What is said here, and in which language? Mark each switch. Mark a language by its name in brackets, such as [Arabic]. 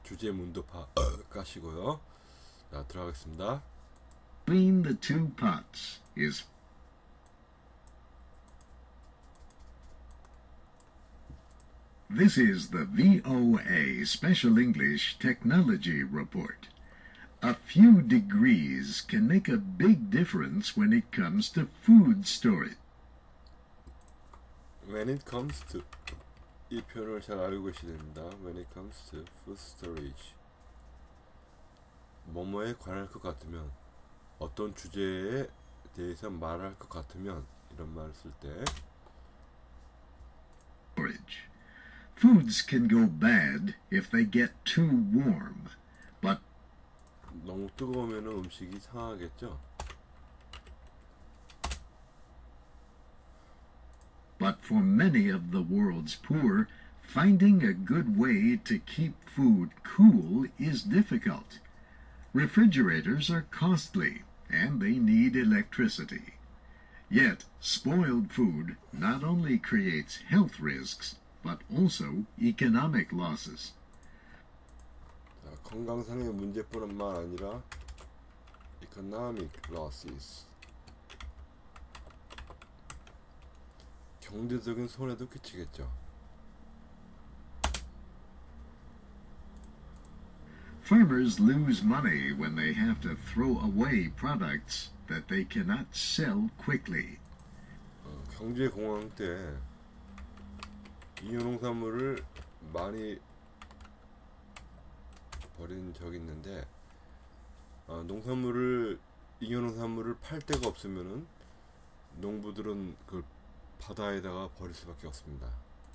[Korean] 주제문도 파악하시고요. 자, 들어가겠습니다. [English] Between the two pots is This is the VOA Special English Technology Report. A few degrees can make a big difference when it comes to food storage. When it comes to [Korean] 이 표현을 잘 알고 계셔야 됩니다. [English] When it comes to food storage. [Korean] 뭐뭐에 관할 것 같으면 어떤 주제에 대해서 말할 것 같으면 이런 말을 쓸 때 [English] storage. Foods can go bad if they get too warm, but [Korean] 너무 뜨거우면 음식이 상하겠죠? [English] But for many of the world's poor, finding a good way to keep food cool is difficult. Refrigerators are costly, and they need electricity. Yet, spoiled food not only creates health risks, but also economic losses. [Korean] 건강상의 문제뿐만 아니라 [English] economic losses. [Korean] 경제적인 손해도 끼치겠죠. [English] Farmers lose money when they have to throw away products that they cannot sell quickly. [Korean] 경제 공황 때 이유 농산물을 많이 버린 적이 있는데 농산물을 이유 농산물을 팔 데가 없으면은 농부들은 그 바다에다가 버릴 수밖에 없습니다.